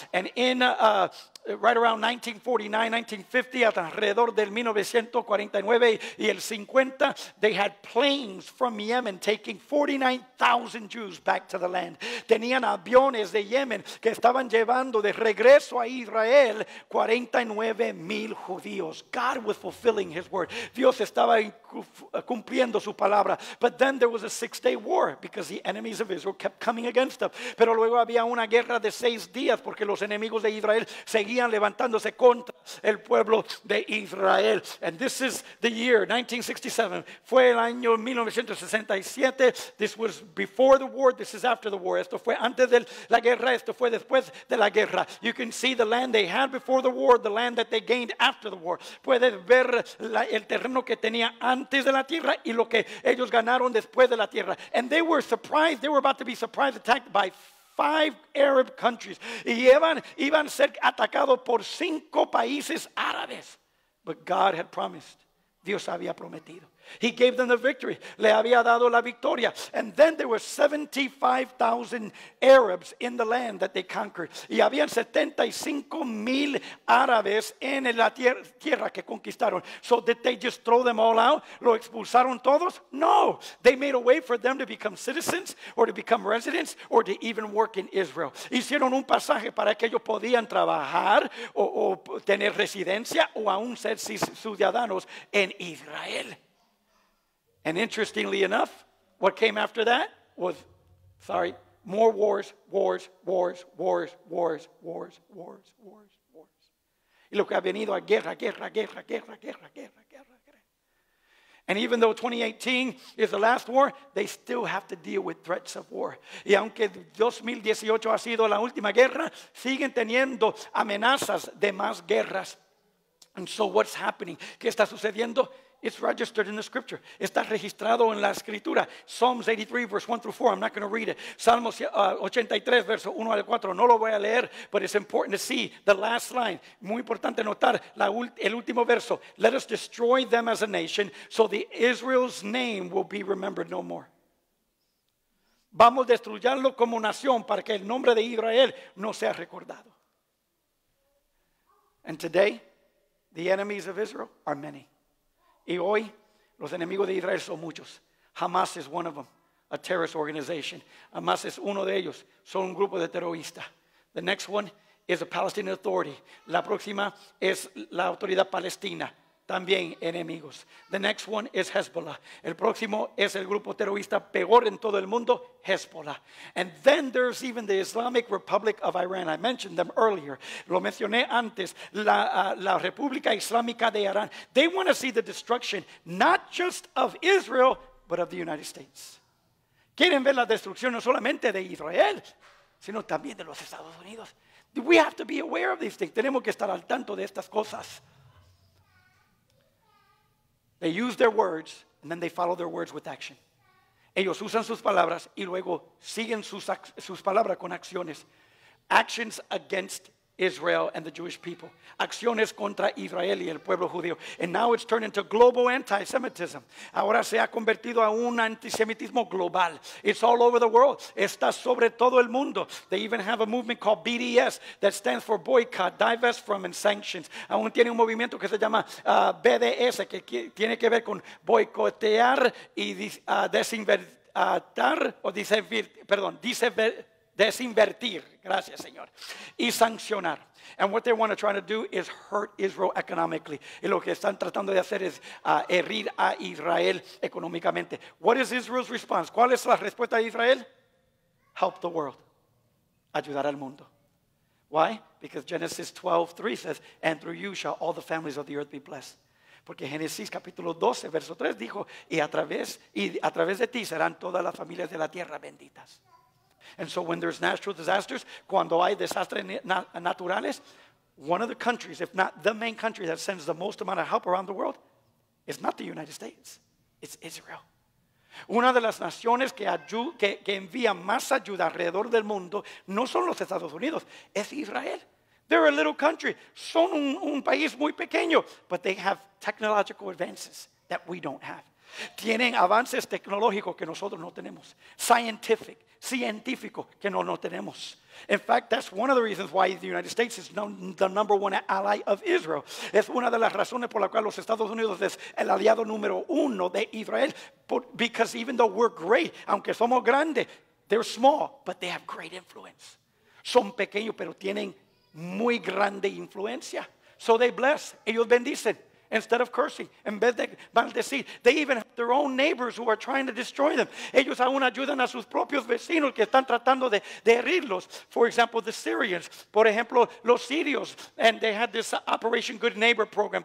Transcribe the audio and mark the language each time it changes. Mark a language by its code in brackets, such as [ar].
[en] And in right around 1949, 1950, [es] hasta alrededor del 1949 y el 50, [en] they had planes from Yemen taking 49,000 Jews back to the land. [es] Tenían aviones de Yemen que estaban llevando de regreso a Israel 49,000 judíos. [en] God was fulfilling his word. [es] Dios estaba cumpliendo su palabra. [en] But then there was a six-day war because the enemies of Israel kept coming against them. [es] Pero luego había una guerra de seis días porque los enemigos de Israel seguían levantándose contra el pueblo de Israel. [en] And this is the year 1967. [es] Fue el año 1967. [en] This was before the war. This is after the war. [es] Esto fue antes de la guerra. Esto fue después de la guerra. [en] You can see the land they had before the war, the land that they gained after the war. [es] Puedes ver el terreno que tenía antes de la tierra y lo que ellos ganaron después de la tierra. [en] And they were surprised. They were about to be surprised, attacked by five Arab countries. [es] Y iban a ser atacados por cinco países árabes. [en] But God had promised. [es] Dios había prometido. [en] He gave them the victory. [es] Le había dado la victoria. [en] And then there were 75,000 Arabs in the land that they conquered. [es] Y habían 75,000 árabes en la tierra que conquistaron. [en] So did they just throw them all out? [es] ¿Lo expulsaron todos? [en] No. They made a way for them to become citizens or to become residents or to even work in Israel. [es] Hicieron un pasaje para que ellos podían trabajar o tener residencia o aún ser ciudadanos en Israel. [en] And interestingly enough, what came after that was, more wars, wars, wars, wars, wars, wars, wars, wars, wars. [es] Y lo que ha venido a guerra, guerra, guerra, guerra, guerra, guerra, guerra, guerra. [en] And even though 2018 is the last war, they still have to deal with threats of war. [es] Y aunque 2018 ha sido la última guerra, siguen teniendo amenazas de más guerras. [en] And so what's happening? [es] ¿Qué está sucediendo? [en] It's registered in the scripture. Está registrado en la escritura. Psalms 83, verse 1 through 4. I'm not going to read it. [es] Salmos 83, verso 1 al 4. No lo voy a leer, [en] but it's important to see the last line. [es] Muy importante notar el último verso. [en] Let us destroy them as a nation so the Israel's name will be remembered no more. [es] Vamos a destruirlo como nación para que el nombre de Israel no sea recordado. [en] And today, the enemies of Israel are many. [es] Y hoy, los enemigos de Israel son muchos. [en] Hamas is one of them, a terrorist organization. [es] Hamas es uno de ellos, son un grupo de terroristas. [en] The next one is the Palestinian Authority. [es] La próxima es la Autoridad Palestina, también enemigos. [en] The next one is Hezbollah. [es] El próximo es el grupo terrorista peor en todo el mundo, Hezbollah. [en] And then there's even the Islamic Republic of Iran. I mentioned them earlier. [es] Lo mencioné antes. La República Islámica de Irán. [en] They want to see the destruction, not just of Israel, but of the United States. [es] Quieren ver la destrucción no solamente de Israel, sino también de los Estados Unidos. [en] We have to be aware of these things. [es] Tenemos que estar al tanto de estas cosas. [en] They use their words and then they follow their words with action. [es] Ellos usan sus palabras y luego siguen sus palabras con acciones. [en] Actions against Israel and the Jewish people. [es] Acciones contra Israel y el pueblo judío. [en] And now it's turned into global anti-Semitism. [es] Ahora se ha convertido a un antisemitismo global. [en] It's all over the world. [es] Está sobre todo el mundo. [en] They even have a movement called BDS that stands for Boycott, Divest From, and Sanctions. [es] Aún tiene un movimiento que se llama BDS, que tiene que ver con boicotear y desinvertir. Gracias, Señor. Y sancionar. [en] And what they want to try to do is hurt Israel economically. [es] Y lo que están tratando de hacer es herir a Israel económicamente. [en] What is Israel's response? [es] ¿Cuál es la respuesta de Israel? [en] Help the world. [es] Ayudar al mundo. [en] Why? Because Genesis 12:3 says, and through you shall all the families of the earth be blessed. [es] Porque Génesis capítulo 12, verso 3 dijo, y a través de ti serán todas las familias de la tierra benditas. [en] And so when there's natural disasters, [es] cuando hay desastres naturales, [en] one of the countries, if not the main country that sends the most amount of help around the world, is not the United States, it's Israel. [es] Una de las naciones que envía más ayuda alrededor del mundo no son los Estados Unidos, es Israel. [en] They're a little country, [es] son un país muy pequeño, [en] but they have technological advances that we don't have. [es] Tienen avances tecnológicos que nosotros no tenemos, científico que no tenemos. [en] In fact, that's one of the reasons why the United States is the number one ally of Israel. [es] Es una de las razones por la cual los Estados Unidos es el aliado número uno de Israel. [en] Because even though we're great, [es] aunque somos grandes, [en] they're small, but they have great influence. [es] Son pequeños, pero tienen muy grande influencia. [en] So they bless. [es] Ellos bendicen. [en] instead of cursing, [es] en vez de maldecir. [en] They even have their own neighbors who are trying to destroy them. [es] Ellos aún ayudan a sus propios vecinos que están tratando de herirlos. [en] For example, the Syrians. [es] Por ejemplo, los sirios. [en] And they had this Operation Good Neighbor program.